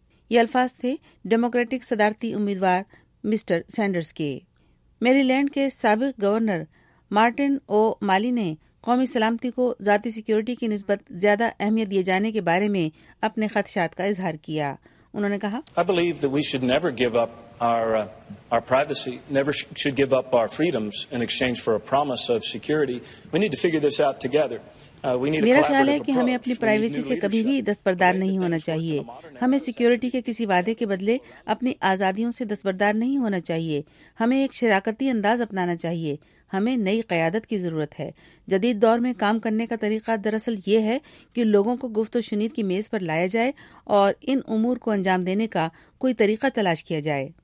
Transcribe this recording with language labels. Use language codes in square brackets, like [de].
[ur] یہ الفاظ تھے ڈیموکریٹک صدارتی امیدوار مسٹر سینڈرز کے. میری لینڈ کے سابق گورنر مارٹن او مالی نے قومی سلامتی کو ذاتی سیکیورٹی کی نسبت زیادہ اہمیت دیے جانے کے بارے میں اپنے خدشات کا اظہار کیا. انہوں نے کہا, [en] I believe that we should never give up our privacy, never should give up our freedoms in exchange for a promise of security. We need to figure this out together. [ur] میرا خیال ہے کہ ہمیں اپنی پرائیویسی سے کبھی بھی دستبردار نہیں ہونا چاہیے. ہمیں سیکیورٹی کے کسی وعدے کے بدلے اپنی آزادیوں سے دستبردار نہیں ہونا چاہیے. ہمیں ایک شراکتی انداز اپنانا چاہیے. ہمیں نئی قیادت کی ضرورت ہے. جدید دور میں کام کرنے کا طریقہ دراصل یہ ہے کہ لوگوں کو گفت و شنید کی میز پر لایا جائے اور ان امور کو انجام دینے کا کوئی طریقہ تلاش کیا جائے.